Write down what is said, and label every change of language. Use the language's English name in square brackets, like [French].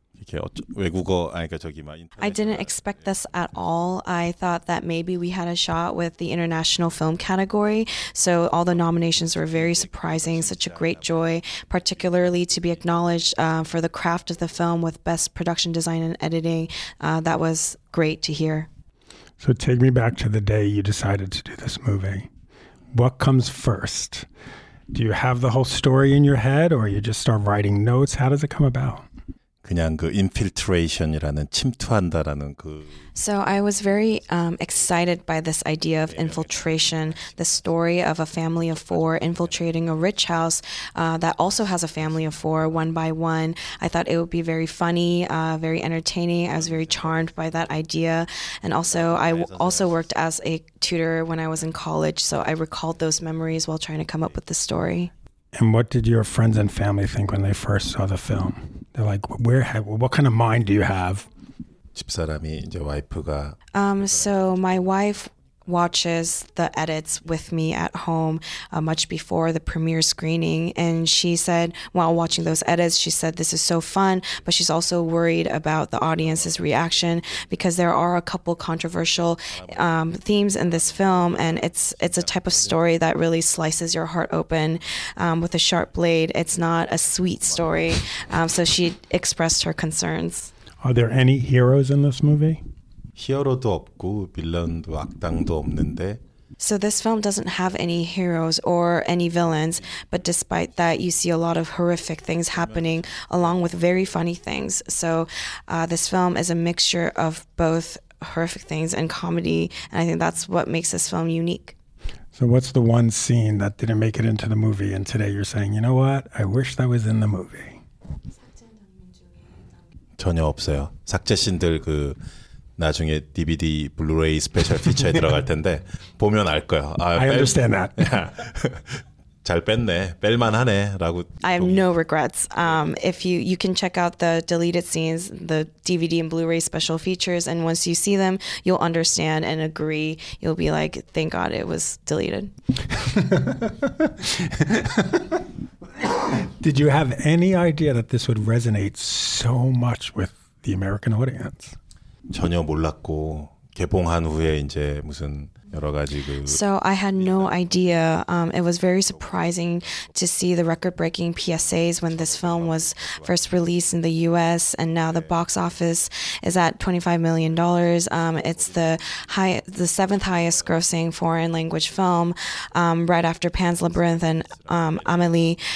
[Korean] 이렇게 외국어 아니까 저기 막 인터넷. [English] I didn't expect this at all. I thought that maybe we had a shot with the international film category. So all the nominations were very surprising. Such a great joy, particularly to be acknowledged for the craft of the film with best production design and editing. That was great to hear. So take me back to the day you decided to do this movie. What comes first? Do you have the whole story in your head, or you just start writing notes? How does it come about? [Korean] 그냥 그 infiltration이라는 침투한다라는 그 [English] So I was very excited by this idea of infiltration, the story of a family of four infiltrating a rich house that also has a family of four, one by one. I thought it would be very funny, very entertaining. I was very charmed by that idea. And also, I also worked as a tutor when I was in college, so I recalled those memories while trying to come up with the story. And what did your friends and family think when they first saw the film? They're like, what kind of mind do you have? [Korean] 집사람이 이제 와이프가 [English] So my wife watches the edits with me at home much before the premiere screening. And she said, while watching those edits, she said, this is so fun. But she's also worried about the audience's reaction because there are a couple controversial themes in this film. And it's a type of story that really slices your heart open with a sharp blade. It's not a sweet story. So she expressed her concerns. Are there any heroes in this movie? [Korean] 히어로도 없고 빌런도 악당도 없는데 [English] So this film doesn't have any heroes or any villains, but despite that, you see a lot of horrific things happening along with very funny things. So this film is a mixture of both horrific things and comedy, and I think that's what makes this film unique. So what's the one scene that didn't make it into the movie, and today you're saying, you know what, I wish that was in the movie? [Korean] 전혀 없어요. 삭제 신들 그 나중에 DVD 블루레이 스페셜 피처에 들어갈 텐데 보면 알 거예요. 아, [English] I understand that. [Korean] 잘 뺐네. 뺄만하네라고. [English] I have no regrets. If you can check out the deleted scenes, the DVD and Blu-ray special features, and once you see them, you'll understand and agree. You'll be like, thank God it was deleted. Did you have any idea that this would resonate so much with the American audience? [Korean] 전혀 몰랐고 개봉한 후에 이제 무슨 [English] So I had no idea. It was very surprising to see the record-breaking PSAs when this film was first released in the U.S. And now the box office is at $25 million. It's the seventh highest grossing foreign language film right after Pan's Labyrinth and Amelie.